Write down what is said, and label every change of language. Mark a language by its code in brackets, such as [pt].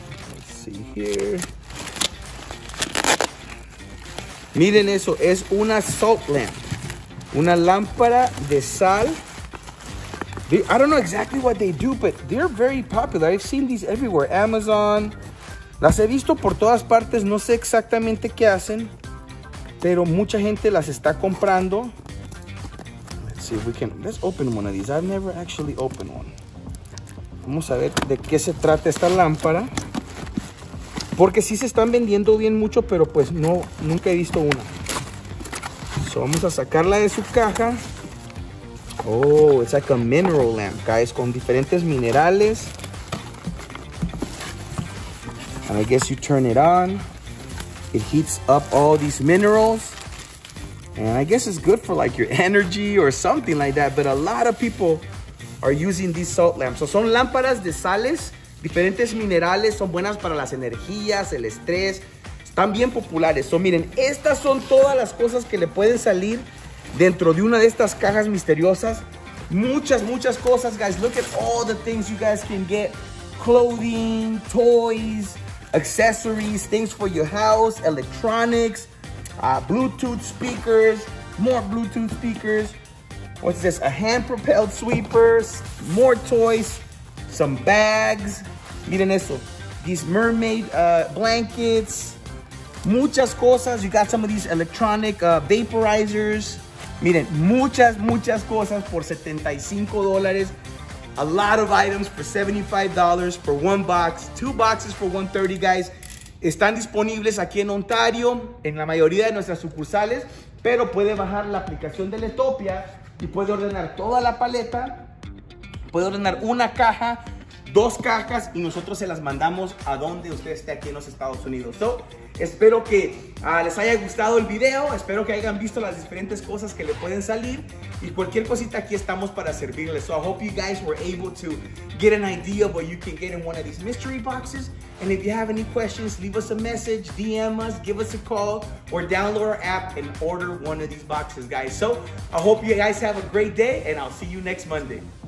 [en] Let's see here. [es] Miren eso, es una salt lamp. Una lámpara de sal. [en] I don't know exactly what they do, but they're very popular. I've seen these everywhere. [es] Amazon. Las he visto por todas partes. No sé exactamente qué hacen. pero mucha gente las está comprando. [en] Let's see if we can, let's open one of these. I've never actually opened one. [es] Vamos a ver de qué se trata esta lámpara. Porque sí se están vendiendo bien mucho, pero pues no, nunca he visto una. So vamos a sacarla de su caja. [en] Oh, it's like a mineral lamp, guys, [es] con diferentes minerales. [en] And I guess you turn it on. It heats up all these minerals. And I guess it's good for like your energy or something like that. But a lot of people are using these salt lamps. [es] So son lámparas de sales. Diferentes minerales son buenas para las energías, el estrés. Están bien populares. [en] So miren, [es] estas son todas las cosas que le pueden salir dentro de una de estas cajas misteriosas. Muchas, muchas cosas, guys. [en] Look at all the things you guys can get. Clothing, toys, accessories, things for your house, electronics, Bluetooth speakers, more Bluetooth speakers. What's this? A hand-propelled sweeper, more toys, some bags. [es] Miren eso. [en] These mermaid blankets. [es] Muchas cosas. [en] You got some of these electronic vaporizers. [es] Miren, muchas, muchas cosas por $75. [en] A lot of items for $75 for one box. Two boxes for $130, guys. [es] Están disponibles aquí en Ontario, en la mayoría de nuestras sucursales. Pero puede bajar la aplicación de Lettopia y puede ordenar toda la paleta. Puede ordenar una caja, dos cajas, y nosotros se las mandamos a donde usted esté aquí en los Estados Unidos. So, espero que les haya gustado el video. Espero que hayan visto las diferentes cosas que le pueden salir. Y cualquier cosita, aquí estamos para servirles. [en] So, I hope you guys were able to get an idea of what you can get in one of these mystery boxes. And if you have any questions, leave us a message, DM us, give us a call, or download our app and order one of these boxes, guys. So, I hope you guys have a great day, and I'll see you next Monday.